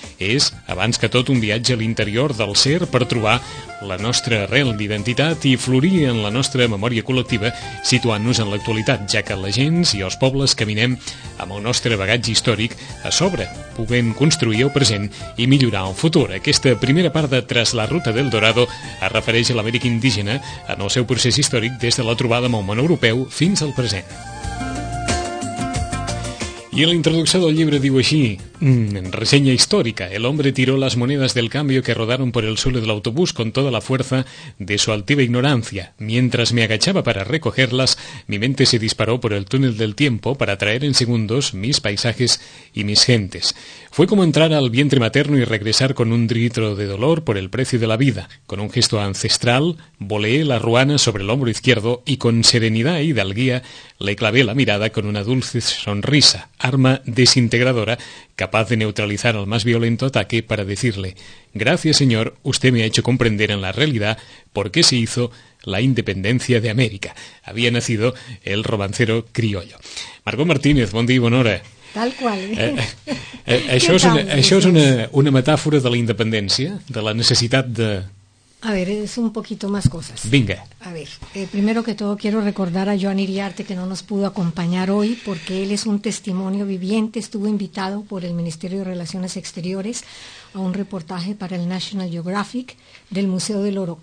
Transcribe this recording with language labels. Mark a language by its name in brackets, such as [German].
[Catalan] És, abans que tot, un viatge a l'interior del ser per trobar la nostra arrel d'identitat i florir en la nostra memòria col·lectiva, situant-nos en l'actualitat, ja que la gent i els pobles caminem amb el nostre bagatge històric a sobre, puguem construir el present i millorar el futur. Aquesta primera part de Tras la Ruta del Dorado es refereix a l'Amèrica indígena en el seu procés històric des de la trobada amb el món europeu fins al present. I la introducció del llibre diu així: reseña històrica. [Spanish] El hombre tiró las monedas del cambio que rodaron por el suelo del autobús con toda la fuerza de su altiva ignorancia. Mientras me agachaba para recogerlas, mi mente se disparó por el túnel del tiempo para traer en segundos mis paisajes y mis gentes. Fue como entrar al vientre materno y regresar con un litro de dolor por el precio de la vida. Con un gesto ancestral, voleé la ruana sobre el hombro izquierdo y con serenidad y hidalguía le clavé la mirada con una dulce sonrisa, arma desintegradora capaz de neutralizar al más violento ataque para decirle: «Gracias, señor, usted me ha hecho comprender en la realidad por qué se hizo la independencia de América». Había nacido el romancero criollo. [Catalan] Margot Martínez, bon dia i bona hora. Tal qual. Això és una metàfora de la independència, de la necessitat de... [Spanish] A ver, es un poquito más cosas. Venga. A ver, primero que todo quiero recordar a Joan Iriarte, que no nos pudo acompañar hoy, porque él es un testimonio viviente. Estuvo invitado por el Ministerio de Relaciones Exteriores a un reportaje para el National Geographic del Museo del Oro.